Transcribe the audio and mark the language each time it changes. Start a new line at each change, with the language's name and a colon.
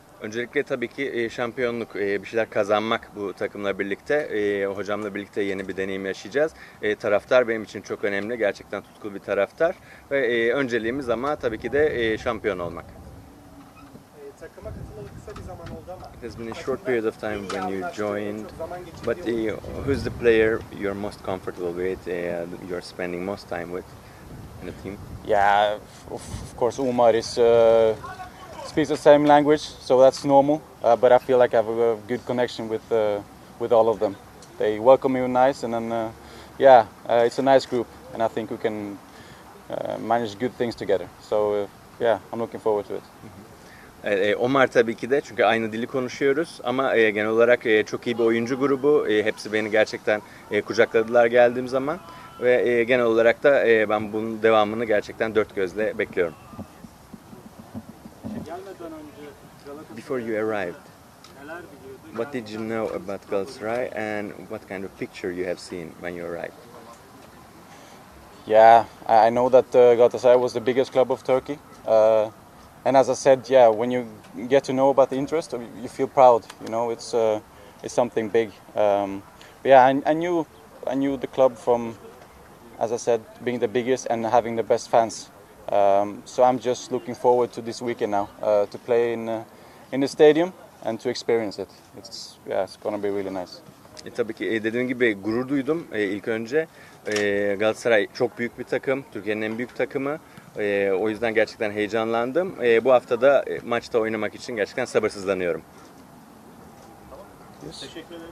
Turkish: Öncelikle tabii ki şampiyonluk, bir şeyler kazanmak bu takımla birlikte, hocamla birlikte yeni bir deneyim yaşayacağız. Taraftar benim için çok önemli, gerçekten tutkulu bir taraftar. Ve önceliğimiz ama tabii ki de şampiyon olmak. Takıma katılalı kısa bir zaman oldu ama...
English: It has been a short period of time when you joined, but who's the player you're most comfortable with, you're spending most time with in the team? Yeah, of course Umar is... speaks the same language, so that's normal. But I feel like I have a good connection with all of them. They welcome you nice, and then it's a nice group, and I think we can manage good things together. So I'm looking forward to it.
Turkish: Omar tabii ki de, çünkü aynı dili konuşuyoruz. Ama genel olarak çok iyi bir oyuncu grubu. Hepsi beni gerçekten kucakladılar geldiğim zaman. Ve genel olarak da ben bunun devamını gerçekten dört gözle bekliyorum.
English: Before you arrived, what did you know about Galatasaray and what kind of picture you have seen when you arrived? Yeah, I know that Galatasaray was the biggest club of Turkey. And as I said, yeah, when you get to know about the interest, you feel proud. You know, it's something big. I knew the club from, as I said, being the biggest and having the best fans. So I'm just looking forward to this weekend now to play in the stadium and to experience it. It's going to be really nice.
Turkish: Tabii ki dediğim gibi gurur duydum ilk önce. Galatasaray çok büyük bir takım, Türkiye'nin en büyük takımı. O yüzden gerçekten heyecanlandım. Bu hafta da maçta oynamak için gerçekten sabırsızlanıyorum.
English: Yes.
Turkish: Teşekkür ederim.